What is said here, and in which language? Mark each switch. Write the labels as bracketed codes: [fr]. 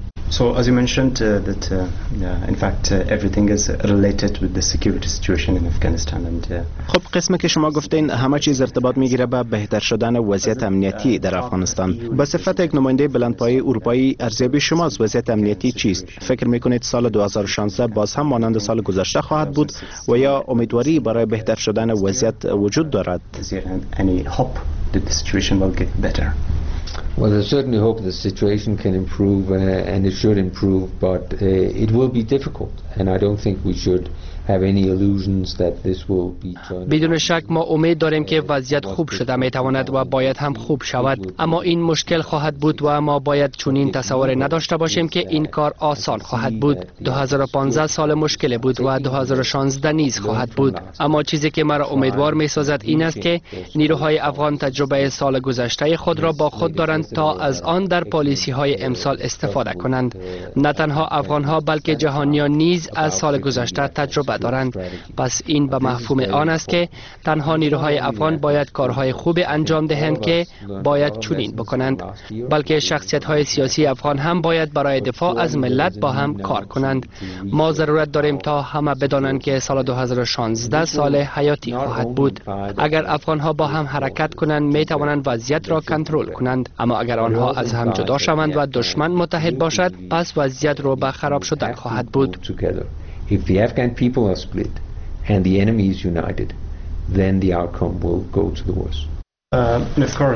[en] So as you mentioned everything is related with the security situation in Afghanistan and [fa] خب قسمی که شما گفتین همه چیز ارتباط میگیره به بهتر شدن وضعیت امنیتی در افغانستان. به صفت یک نماینده بلندپایه اروپایی، ارزیابی شما از وضعیت امنیتی چیست؟ فکر میکنید سال 2016 باز هم مانند سال گذشته خواهد بود و یا امیدواری برای بهتر شدن وضعیت وجود دارد؟ [en] Any hope that the situation will get better? Well, I certainly hope the situation can improve and it should improve, but it will be difficult and I don't think we should have any illusions that this will be turned. [fa] بدون شک ما امید داریم که وضعیت خوب شده میتواند و باید هم خوب شود، اما این مشکل خواهد بود و ما باید چنین تصوری نداشته باشیم که این کار آسان خواهد بود. 2015 سال مشکل بود و 2016 نیز خواهد بود، اما چیزی که مرا امیدوار میسازد این است که نیروهای افغان تجربه سال گذشته خود را با خود دارند تا از آن در پالیسی های امسال استفاده کنند. نه تنها افغان ها بلکه جهانیان نیز از سال گذشته تجربه دارند. پس این به مفهوم آن است که تنها نیروهای افغان باید کارهای خوب انجام دهند که باید چنین بکنند، بلکه شخصیت‌های سیاسی افغان هم باید برای دفاع از ملت با هم کار کنند. ما ضرورت داریم تا همه بدانند که سال 2016 سال حیاتی خواهد بود. اگر افغان‌ها با هم حرکت کنند می توانند وضعیت را کنترل کنند، اما اگر آنها از هم جدا شوند و دشمن متحد باشد، پس وضعیت رو به خراب شدن خواهد بود. [en] If the Afghan people are split and the enemy is united, then the outcome will go to the worse.